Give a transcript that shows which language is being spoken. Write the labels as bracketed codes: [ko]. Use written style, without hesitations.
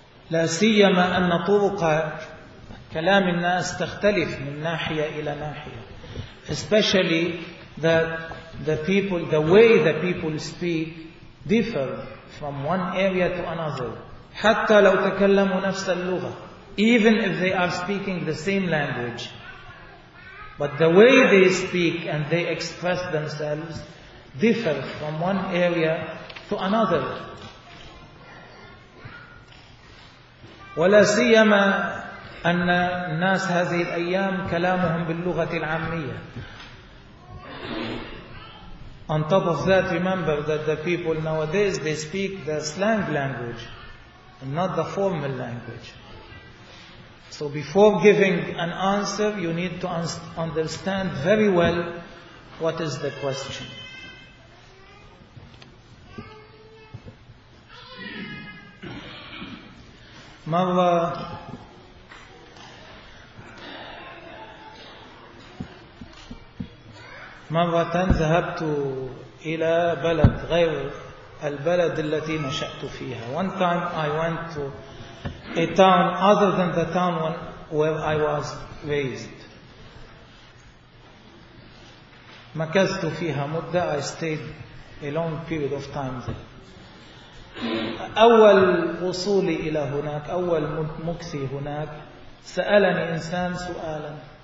[ar] لا سيما أن طرق كلام الناس تختلف من ناحية إلى ناحية. [en] Especially that the way the people speak differ from one area to another. [ar] حتى لو تكلموا نفس اللغة. [en] Even if they are speaking the same language. But the way they speak and they express themselves differ from one area to another. [ar] ولا سيما أن الناس هذه الأيام كلامهم باللغة العامية. [en] On top of that, remember that the people nowadays they speak the slang language, not the formal language. So before giving an answer, you need to understand very well what is the question. [ar] مرة ذهبت إلى بلد غير البلد التي نشأت فيها. [en] One time I went to a town other than the town where I was raised. [ar] مكثت فيها مدة. [en] I stayed a long period of time there. [ar] أول وصولي إلى هناك، أول مكثي هناك، سألني إنسان سؤالا.